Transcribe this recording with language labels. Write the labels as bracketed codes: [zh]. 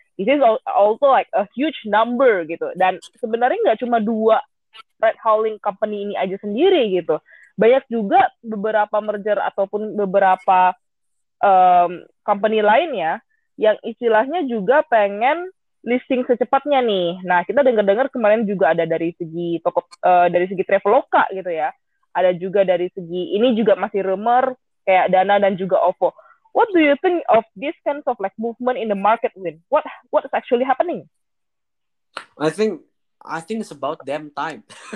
[en] This is also like a huge number [id] gitu. Dan sebenarnya nggak cuma dua ride hauling company ini aja sendiri gitu. Banyak juga beberapa merger ataupun beberapa company lainnya yang istilahnya juga pengen listing secepatnya nih. Nah, kita dengar-dengar kemarin juga ada dari segi Traveloka gitu ya. Ada juga dari segi ini juga masih rumor kayak Dana dan juga OVO. [en] What do you think of this kind of like movement in the market, Win? What is actually happening? I think it's about damn time.